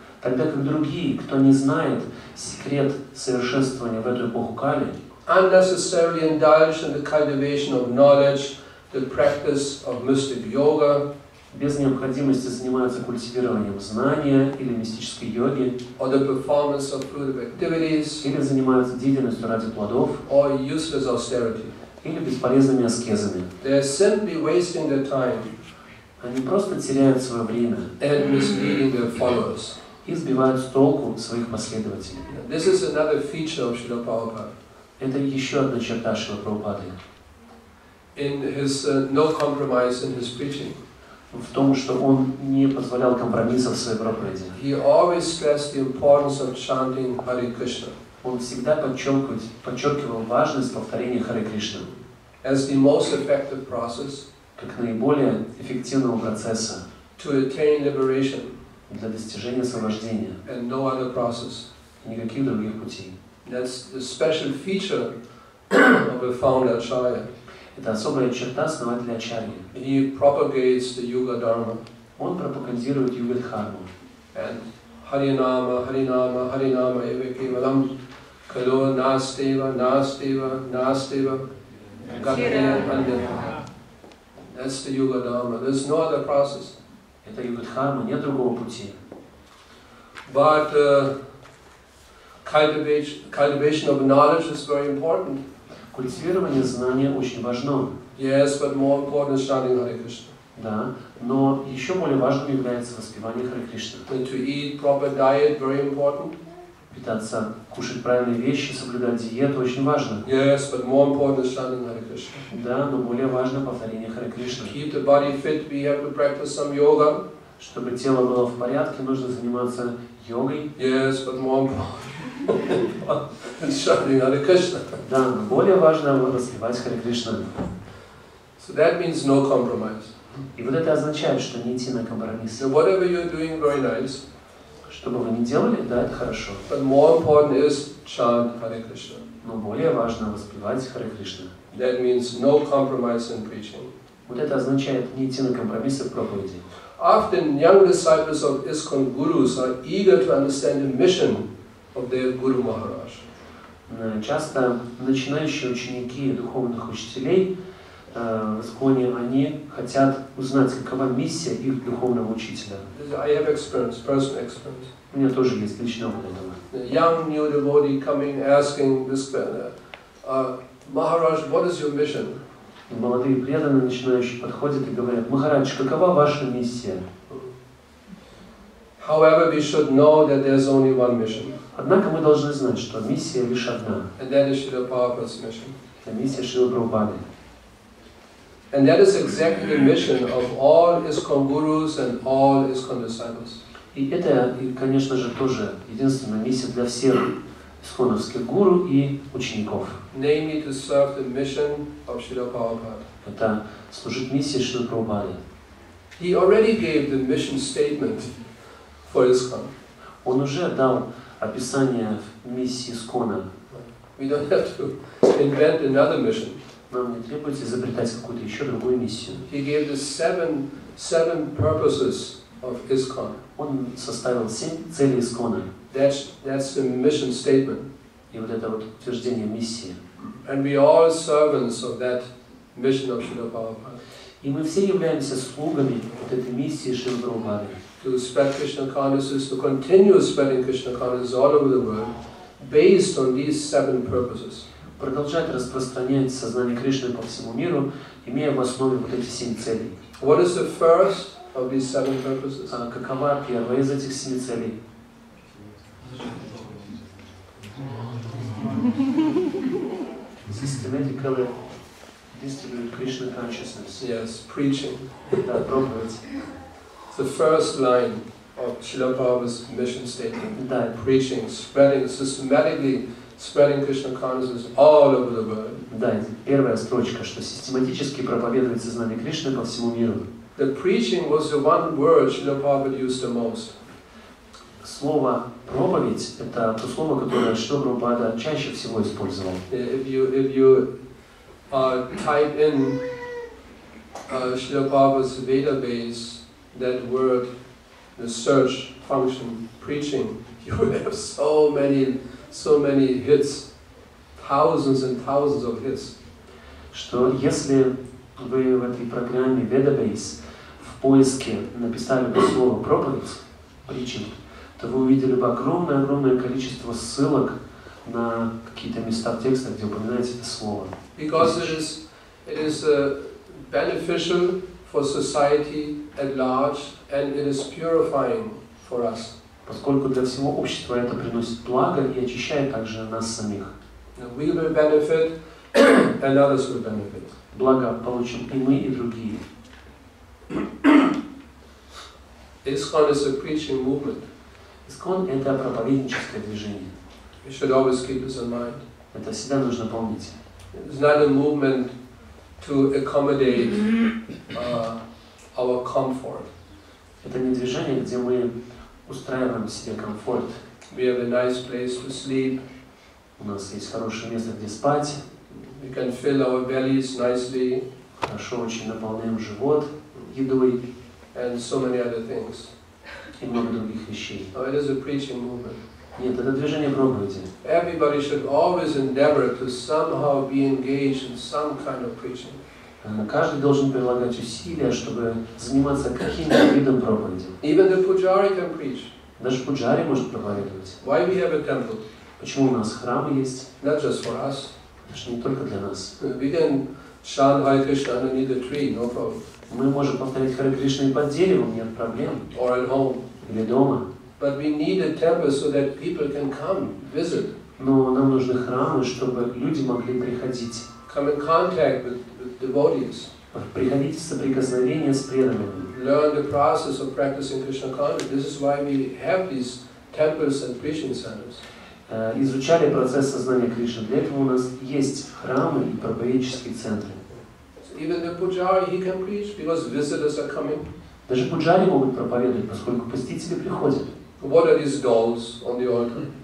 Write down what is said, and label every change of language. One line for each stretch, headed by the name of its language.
Russian: тогда как другие, кто не знает секрет совершенствования в эту эпоху Кали,
English: unnecessarily indulge in the cultivation of knowledge, the practice of mystic yoga,
Russian: без необходимости занимаются культивированием знания или мистической йоги,
English: or the performance of fruitive activities,
Russian: или занимаются деятельностью ради плодов,
English: or useless austerity,
Russian: или бесполезными аскезами.
English: They are simply wasting their time.
Russian: Они просто теряют свое время.
English: And misleading their followers.
Russian: И сбивают с толку своих последователей.
English: This is another feature of Śrīla Prabhupāda.
Russian: Это еще одна черта Śrīla Prabhupāda.
English: In his no compromise in his preaching.
Russian: В том, что он не позволял компромиссов в своей проповеди.
English: He always stressed the importance of chanting Hare Krishna.
Russian: Он всегда подчеркивал важность повторения Харе Кришны
English: as the most effective process,
Russian: как наиболее эффективного процесса
English: to attain liberation,
Russian: для достижения освобождения,
English: and no other process,
Russian: и никаких других путей.
English: That's the special feature of a founder acharya.
Russian: Это особая черта основателя ачарьи.
English: He propagates the yuga dharma.
Russian: Он пропагандирует юга дхарму.
Sanskrit: And Харинама, Харинама, Харинама, Эвакевалам, Кало, Настева, Настева, Настева, Гатхея, Андерхана.
English: That's the Yuga Dharma. There's no other process.
Russian: Это Юга Дхарма, нет другого пути.
English: But cultivation of knowledge is very important.
Russian: Культивирование знания очень важно.
English: Yes, but more important is chanting Hare Krishna.
Russian: Да, но еще более важным является воспевание Харе Кришны.
English: To eat proper diet, very important.
Russian: Питаться, кушать правильные вещи, соблюдать диету очень важно.
English: Yes, but more important is chanting Hare Krishna.
Russian: Да, но более важно повторение Харе Кришны.
English: Keep the body fit, we have to practice some yoga.
Russian: Чтобы тело было в порядке, нужно заниматься йогой.
English: Yes, but more important is chanting Hare Krishna.
Russian: Да, но более важно воспевать Харе Кришны.
English: So that means no compromise.
Russian: И вот это означает, что не идти на компромисс.
English: So whatever you're doing, very nice.
Russian: Что бы вы ни делали, да, это хорошо.
English: But more important is chant Hare Krishna.
Russian: Но более важно воспевать Харе Кришна.
English: That means no compromise in preaching.
Russian: Вот это означает не идти на компромиссы в проповеди.
English: Often young disciples of ISKCON gurus are eager to understand the mission of their Guru Maharaj.
Russian: Часто начинающие ученики духовных учителей в исконе они хотят узнать, какова миссия их духовного учителя.
English: I have experience, personal experience.
Russian: У меня тоже есть личный опыт этого.
English: Young new devotee coming asking this Maharaj, what is your mission?
Russian: И молодые преданные начинающие подходят и говорят: Махарадж, какова ваша миссия?
English: However, we should know that there's only one mission.
Russian: Однако мы должны знать, что миссия лишь одна.
English: And that is Śrīla Prabhupāda's mission.
Russian: Это миссия Śrīla Prabhupāda.
English: And that is exactly the mission of all ISKCON gurus and all ISKCON disciples.
Russian: И это, конечно же, тоже единственная миссия для всех исконовских гуру и учеников.
English: Namely, to serve the mission of Śrīla Prabhupāda.
Russian: Это служить миссии Śrīla Prabhupāda.
English: He already gave the mission statement for ISKCON.
Russian: Он уже дал описание миссии ИСКОНа.
English: We don't have to invent another mission.
Russian: Нам не требуется изобретать какую-то еще другую миссию.
English: He gave the seven purposes of ISKCON.
Russian: Он составил семь целей ИСКОНа.
English: That's the mission statement.
Russian: И вот это вот утверждение миссии.
English: And we are servants of that mission of Śrīla Prabhupāda.
Russian: И мы все являемся слугами вот этой миссии Śrīla Prabhupāda.
English: To spread Krishna consciousness, to continue spreading Krishna consciousness all over the world, based on these seven purposes.
Russian: Продолжать распространять сознание Кришны по всему миру, имея в основе вот эти семь целей.
English: What is the first of these seven purposes?
Russian: Какова первая из этих семи целей?
English: Systematically distribute Krishna consciousness. Yes, preaching. The first line of Srila Prabhupada's mission statement. Preaching, spreading, systematically spreading Krishna consciousness all over the world.
Russian: Первая строчка, что систематически проповедуется знамя Кришны по всему миру.
English: The preaching was the one word Srila Prabhupada used the most.
Russian: Слово проповедь – это то слово, которое Шрила Прабхупада чаще всего использовал.
English: If you type in Шрила Прабхупада's database, that word, the search function, preaching, you would have so many hits, thousands and thousands of hits.
Russian: Что если вы в этой программе database в поиске написали бы слово проповедь, preaching, то вы увидели бы огромное-огромное количество ссылок на какие-то места в тексте, где упоминается это слово.
English: Because it is beneficial for society at large, and it is purifying for us.
Russian: Поскольку для всего общества это приносит благо и очищает также нас самих.
English: We will benefit, and others will benefit.
Russian: Благо получим и мы, и другие.
English: ISKCON is a preaching movement.
Russian: ИСКОН – это проповедническое движение.
English: We should always keep this in mind.
Russian: Это всегда нужно помнить.
English: It's not a movement to accommodate our comfort.
Russian: Это не движение, где мы устраиваем себе комфорт.
English: We have a nice place to sleep.
Russian: У нас есть хорошее место, где спать.
English: We can fill our bellies nicely.
Russian: Хорошо очень наполняем живот едой.
English: And so many other things.
Russian: И много других вещей.
English: Oh, it is a preaching movement.
Russian: Нет, это движение проповеди.
English: Everybody should always endeavor to somehow be engaged in some kind of preaching.
Russian: Каждый должен прилагать усилия, чтобы заниматься каким-то видом проповеди.
English: Even the pujari can preach.
Russian: Даже пуджари может проповедовать.
English: Why we have a temple?
Russian: Почему у нас храм есть?
English: Not just for us.
Russian: Даже не только для нас.
English: We can chant Hare Krishna underneath a tree, no problem.
Russian: Мы можем повторить Харе Кришна под деревом, нет проблем.
English: Or at home.
Russian: Или дома.
English: But we need a temple so that people can come, visit.
Russian: Но нам нужны храмы, чтобы люди могли приходить.
English: Come in contact with devotees.
Russian: Приходить в соприкосновение с преданными.
English: Learn the process of practicing Krishna consciousness. This is why we have these temples and preaching centers.
Russian: Изучали процесс сознания Кришны. Для этого у нас есть храмы и проповедческие центры.
English: Even the pujari he can preach because visitors are coming.
Russian: Даже пуджари могут проповедовать, поскольку посетители приходят.
English: What are these dolls on the altar?